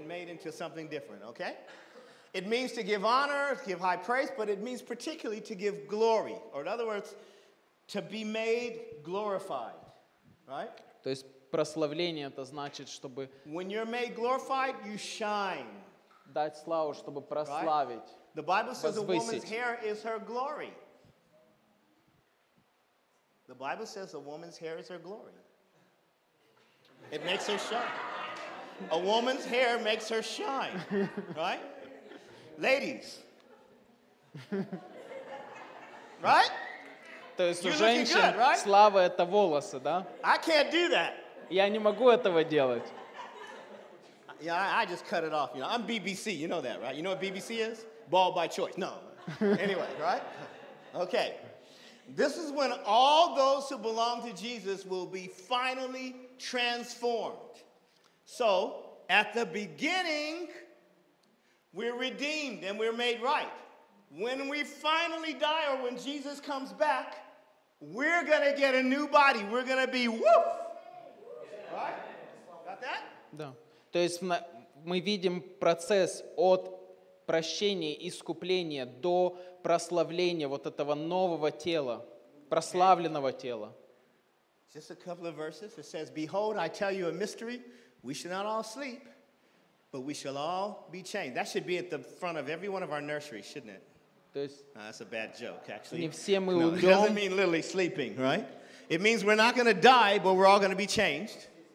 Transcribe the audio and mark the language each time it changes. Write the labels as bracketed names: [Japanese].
[English] Been made into something different, okay? It means to give honor, to give high praise, but it means particularly to give glory. Or in other words, to be made glorified, right? [Russian] То есть прославление это значит, чтобы [English] when you're made glorified, you shine. [Russian] Дать славу, чтобы прославить. [English] Right? The Bible says a woman's hair is her glory. The Bible says a woman's hair is her glory. It makes her shine. A woman's hair makes her shine, right? Ladies. Right? [Russian] То есть у женщин слава — это волосы, да? [English] I can't do that. [Russian] Я не могу этого делать. [English] I just cut it off. You know, I'm BBC. You know that, right? You know what BBC is? Bald by choice. No. Anyway, right? Okay. This is when all those who belong to Jesus will be finally transformed. So, at the beginning, we're redeemed and we're made right. When we finally die or when Jesus comes back, we're going to get a new body. We're going to be woof. Right? Got that? [Russian] Да. То есть мы видим процесс от прощения, искупления до прославления вот этого нового тела, прославленного тела. [English] Just a couple of verses. It says, behold, I tell you a mystery. We shall not all sleep, but we shall all be changed. That should be at the front of every one of our nurseries, shouldn't it? That's a bad joke, actually. No, it doesn't mean literally sleeping, right? It means we're not going to die, but we're all going to be changed.